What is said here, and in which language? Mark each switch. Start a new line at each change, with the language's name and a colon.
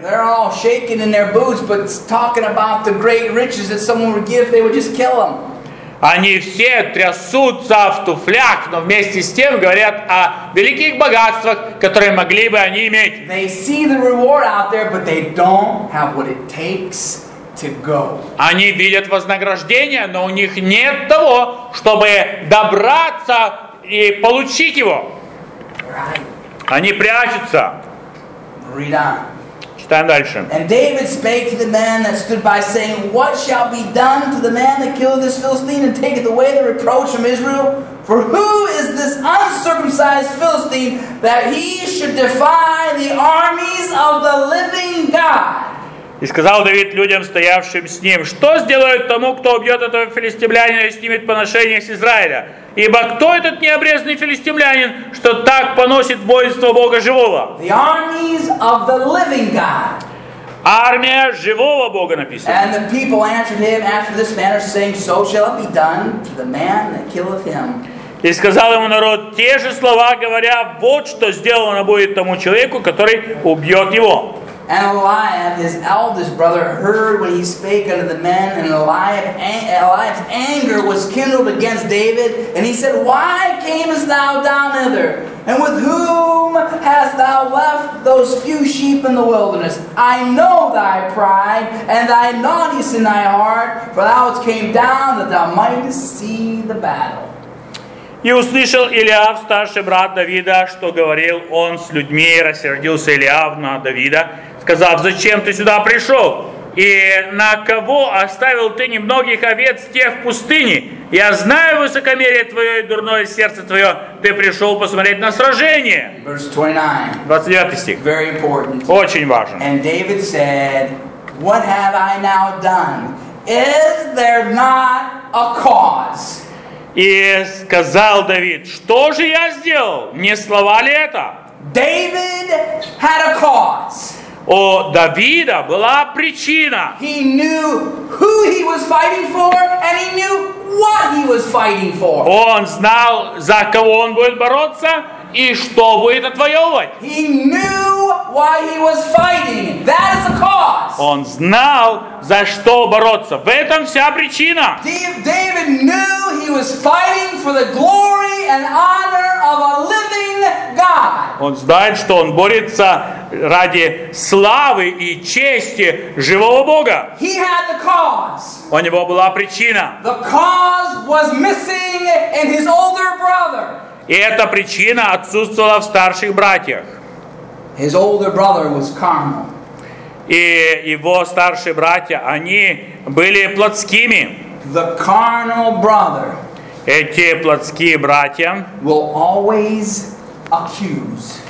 English: They're all shaking in their boots, but talking about the great riches that someone would give, they would just kill them.
Russian: Они все трясутся в туфлях, но вместе с тем говорят о великих богатствах, которые могли бы они иметь.
English: They see the reward out there, but they don't have what it takes to go.
Russian: Они видят вознаграждение, но у них нет того, чтобы добраться и получить его.
English: Right.
Russian: Они прячутся.
English: Read on.
Russian: Читаем дальше.
English: And David spake to the man that stood by, saying, "What shall be done to the man that killed this Philistine and taketh away the reproach from Israel? For who is this uncircumcised Philistine that he should defy the armies of the living God?"
Russian: И сказал Давид людям, стоявшим с ним, "Что сделают тому, кто убьет этого филистимлянина и снимет поношение с Израиля? Ибо кто этот необрезанный филистимлянин, что так поносит воинство Бога живого?"
English: The armies of the living God.
Russian: Армия живого Бога, написано.
English: And the people answered him after this manner, saying, so shall it be done to the man that killeth him.
Russian: И сказал ему народ те же слова, говоря, вот что сделано будет тому человеку, который убьет его.
English: And Eliab, his eldest brother, heard when he spake unto the men, and Eliab's anger was kindled against David, and he said, why camest thou down hither? And with whom hast thou left those few sheep in the wilderness? I know thy pride and thy naughtiness in thy heart, for thou came down that thou mightest see the battle.
Russian: И услышал Илиав, старший брат Давида, что говорил он с людьми, и рассердился Илиав на Давида, сказав, зачем ты сюда пришел? И на кого оставил ты немногих овец тех в пустыне? Я знаю высокомерие твое и дурное сердце твое. Ты пришел посмотреть на сражение. 29 стих.
English: Very important.
Russian: Очень важен.
English: And David said, what have I now done? Is there not a cause?
Russian: И сказал Давид, что же я сделал? Не слова ли это?
English: David had a cause.
Russian: У Давида была причина.
English: He knew who he was fighting for, and he knew what he was fighting for.
Russian: Он знал, за кого он будет бороться и что будет отвоевывать.
English: He knew why he was fighting. That is a cause.
Russian: Он знал, за что бороться. В этом вся причина.
English: David knew he was fighting for the glory and honor of a living God.
Russian: Он знает, что он борется ради славы и чести живого Бога.
English: He had the cause.
Russian: У него была причина.
English: The cause was missing in his older brother.
Russian: И эта причина отсутствовала в старших братьях.
English: His older brother was carnal.
Russian: И его старшие братья, они были плотскими.
English: The carnal brother.
Russian: Эти плотские братья
English: will always accuse.